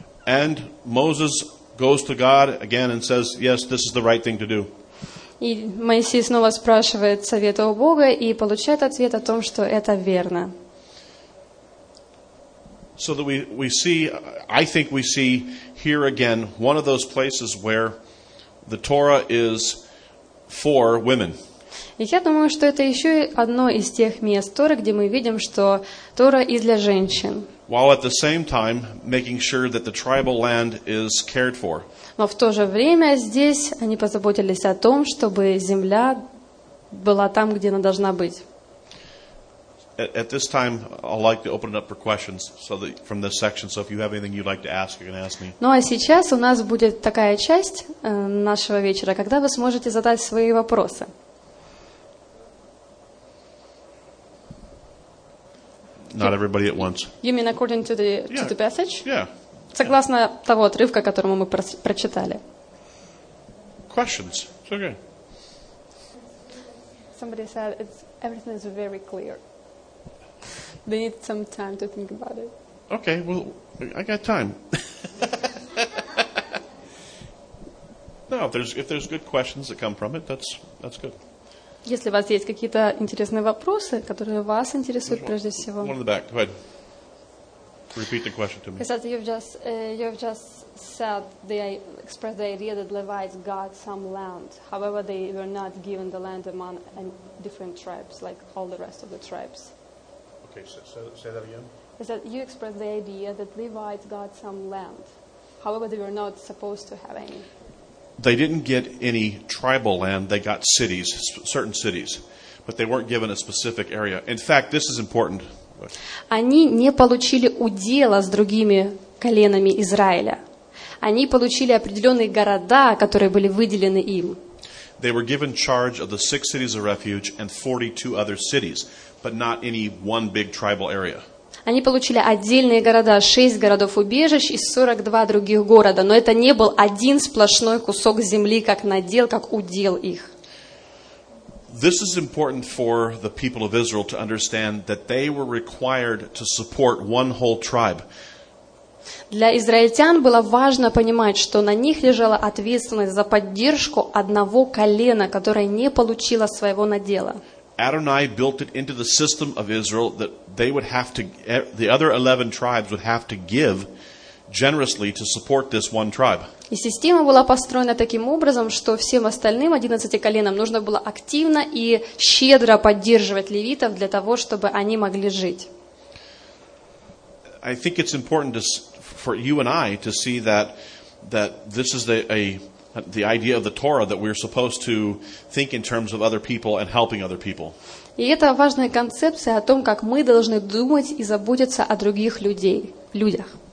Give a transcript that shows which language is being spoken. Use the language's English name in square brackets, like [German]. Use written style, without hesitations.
[English] And Moses goes to God again and says, yes, this is the right thing to do. [Russian] И Моисей снова спрашивает совета у Бога и получает ответ о том, что это верно. [English] So that we see, I think we see here again one of those places where the Torah is for women. [Russian] И я думаю, что это еще одно из тех мест Торы, где мы видим, что Тора и для женщин. [English] While at the same time making sure that the tribal land is cared for. [Russian] Но в то же время здесь они позаботились о том, чтобы земля была там, где она должна быть. [English] At this time, I'd like to open it up for questions so that from this section. So if you have anything you'd like to ask, you can ask me. [Russian] Ну а сейчас у нас будет такая часть нашего вечера, когда вы сможете задать свои вопросы. [English] Not everybody at once. You mean according to the to the passage? Yeah. [Russian] Согласно того отрывка, которому мы прочитали. [English] Questions. It's okay. Somebody said it's everything is very clear. They need some time to think about it. Okay, well, I got time. No, if there's good questions that come from it, that's good. [Russian] Если у вас есть какие-то интересные вопросы, которые вас интересуют прежде всего. [English] One in the back. Go ahead. Repeat the question to me. Because you've just said they expressed the idea that Levites got some land. However, they were not given the land among different tribes, like all the rest of the tribes. Okay, so say that again. Is that you expressed the idea that Levites got some land. However, they were not supposed to have any. They didn't get any tribal land. They got cities, certain cities. But they weren't given a specific area. In fact, this is important. [Russian] Они не получили удела с другими коленами Израиля. Они получили определенные города, которые были выделены им. [English] They were given charge of the 6 cities of refuge and 42 other cities, but not any one big tribal area. [Russian] Они получили отдельные города, 6 городов убежищ и 42 других города, но это не был один сплошной кусок земли, как надел, как удел их. [English] This is important for the people of Israel to understand that they were required to support one whole tribe. [Russian] Для израильтян было важно понимать, что на них лежала ответственность за поддержку одного колена, которое не получило своего надела. [English] Adonai built it into the system of Israel that they would have to, the other 11 tribes would have to give generously to support this one tribe. [Russian] И система была построена таким образом, что всем остальным 11 коленам нужно было активно и щедро поддерживать левитов для того, чтобы они могли жить. [English] I think it's important to, for you and I to see that this is the idea of the Torah that we're supposed to think in terms of other people and helping other people. [Russian] И это важная концепция о том, как мы должны думать и заботиться о других людях.